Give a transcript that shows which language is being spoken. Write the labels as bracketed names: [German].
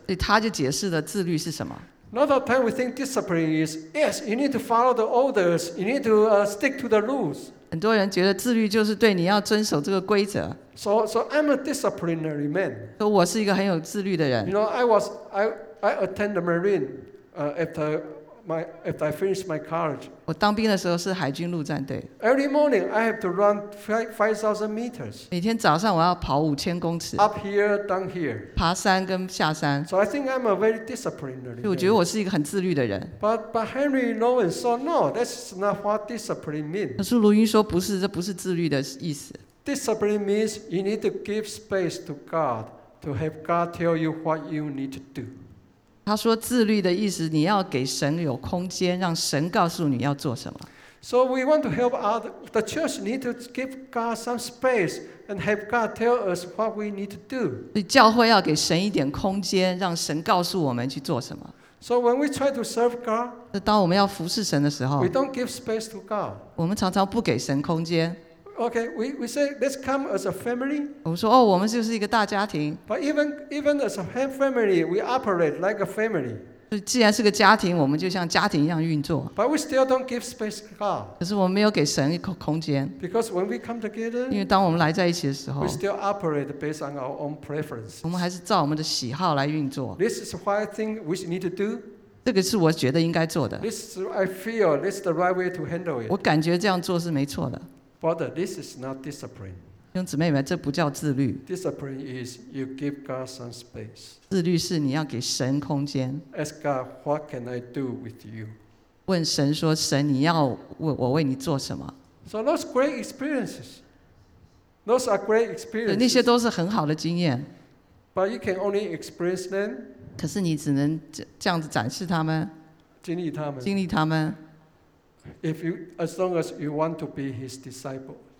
[Chinese] 对，他就解释了自律是什么。 [English] Not all time we think discipline is yes, you need to follow the orders, you need to stick to the rules. [Chinese] 很多人觉得自律就是对你要遵守这个规则。 [English] So I'm a disciplinary man. [Chinese] 说我是一个很有自律的人。 [English] You know, I attend the Marine, after I finished my college. [Chinese] 我当兵的时候是海军陆战队。 [English] Every morning I have to run 5,000 meters. [Chinese] 每天早上我要跑5,000公尺。 [English] Up here, down here. [Chinese] 爬山跟下山。 [English] So I think I'm a very disciplined man. [Chinese] 我觉得我是一个很自律的人。 [English] But Henry Nouwen said no, that's not what discipline means. [Chinese] 可是卢云说不是，这不是自律的意思。 [English] Discipline means you need to give space to God to have God tell you what you need to do. [Chinese] 他说自律的意思，你要给神有空间，让神告诉你要做什么。 [English] So we want to help the church need to give God some space and have God tell us what we need to do. [Chinese] 教会要给神一点空间，让神告诉我们去做什么。 [English] So when we try to serve God, [Chinese] 当我们要服侍神的时候， [English] we don't give space to God. [Chinese] 我们常常不给神空间。 [English] Okay, we say let's come as a family. [Chinese] 我说哦，我们就是一个大家庭。 [English] But even as a family, we operate like a family. [Chinese] 既然是个家庭，我们就像家庭一样运作。 [English] But we still don't give space to God. [Chinese] 可是我们没有给神一个空间。 [English] Because when we come together, [Chinese] 因为当我们来在一起的时候， [English] we still operate based on our own preference. [Chinese] 我们还是照我们的喜好来运作。 [English] This is what I think we should need to do. [Chinese] 这个是我觉得应该做的。 [English] This is I feel this is the right way to handle it. [Chinese] 我感觉这样做是没错的。 [English] Brother, this is not discipline. [Chinese] 弟兄姊妹们，这不叫自律。 [English] Discipline is you give God some space. [Chinese] 自律是你要给神空间。 [English] Ask God, what can I do with you? [Chinese] 问神说，神，你要我为你做什么 [English] ？So those great experiences, those are great experiences. [Chinese] 那些都是很好的经验。 [English] But you can only experience them. [Chinese] 可是你只能这样子展示他们，经历他们，经历他们。 [English] If you as long as you want to be his disciple,